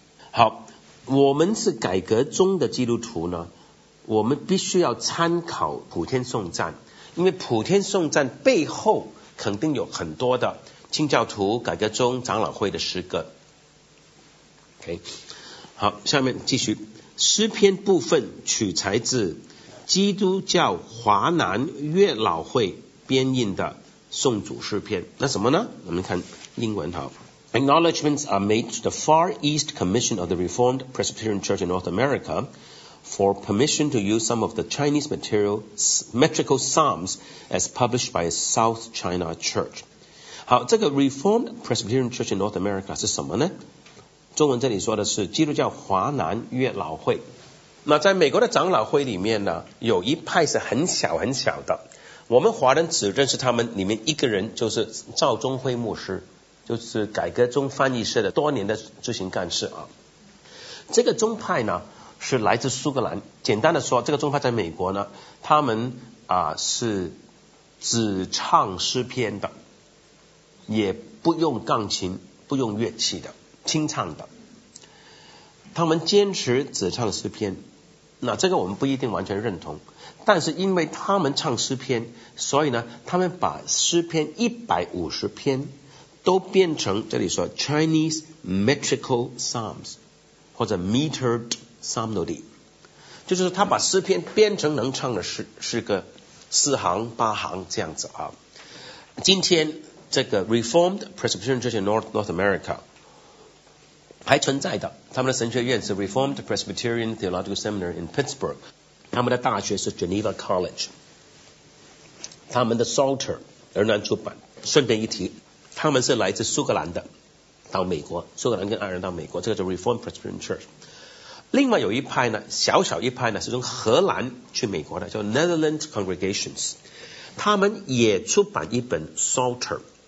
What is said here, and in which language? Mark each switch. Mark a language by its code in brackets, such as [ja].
[zh] 好，我们是改革中的基督徒呢，我们必须要参考普天颂赞，因为普天颂赞背后肯定有很多的清教徒、改革中、长老会的诗歌。 OK， 好，下面继续。诗篇部分取材自基督教华南月老会编印的颂主诗篇。那什么呢？我们看英文。 [en] 好， Acknowledgments are made to the Far East Commission of the Reformed Presbyterian Church in North America for permission to use some of the Chinese material, metrical psalms as published by a South China church。 [zh] 好，这个 Reformed Presbyterian Church in North America 是什么呢？中文这里说的是基督教华南月老会。那在美国的长老会里面呢，有一派是很小很小的，我们华人只认识他们里面一个人，就是赵忠辉牧师，就是改革中翻译社的多年的执行干事啊。这个宗派呢是来自苏格兰，简单的说，这个宗派在美国呢，他们是只唱诗篇的，也不用钢琴、不用乐器的，清唱的。他们坚持只唱诗篇，那这个我们不一定完全认同，但是因为他们唱诗篇，所以呢，他们把诗篇150篇都变成这里说 Chinese metrical psalms 或者 metered psalmody， 就是他把诗篇变成能唱的诗歌四行八行这样子啊。今天这个 Reformed Presbyterian Church in North America还存在的，他们的神学院是 Reformed Presbyterian Theological Seminary in Pittsburgh， 他们的大学是 Geneva College， 他们的 Psalter 仍然出版。顺便一提，他们是来自苏格兰的，到美国，苏格兰跟爱尔兰到美国，这个叫 Reformed Presbyterian Church。另外有一派呢，小小一派呢，是从荷兰去美国的，叫 Netherlands Congregations， 他们也出版一本 Psalter。